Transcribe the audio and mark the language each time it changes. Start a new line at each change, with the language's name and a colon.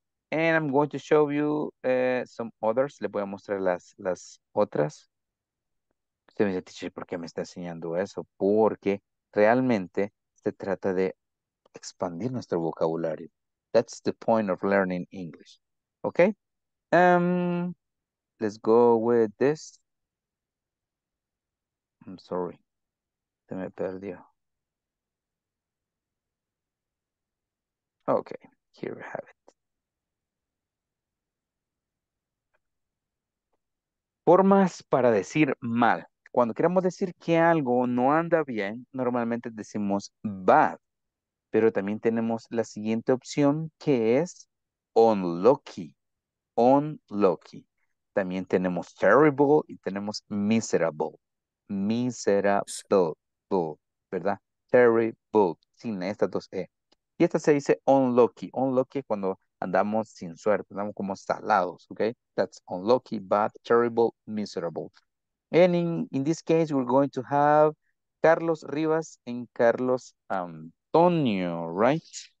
English: And I'm going to show you some others.
Spanish: Les voy a mostrar las otras. Usted me dice, teacher, ¿por qué me está enseñando eso? Porque realmente se trata de expandir nuestro vocabulario.
English: That's the point of learning English. Okay? Let's go with this. I'm sorry.
Spanish: Se me perdió.
English: Okay. Here we have it.
Spanish: Formas para decir mal. Cuando queremos decir que algo no anda bien, normalmente decimos bad. Pero también tenemos la siguiente opción, que es unlucky. Unlucky. También tenemos terrible y tenemos miserable. Miserable, ¿verdad? Terrible, sin estas dos E. Y esta se dice unlucky. Unlucky es cuando andamos sin suerte, andamos como salados, ¿ok?
English: That's unlucky, bad, terrible, miserable. And in this case, we're going to have Carlos Rivas and Carlos Antonio, right?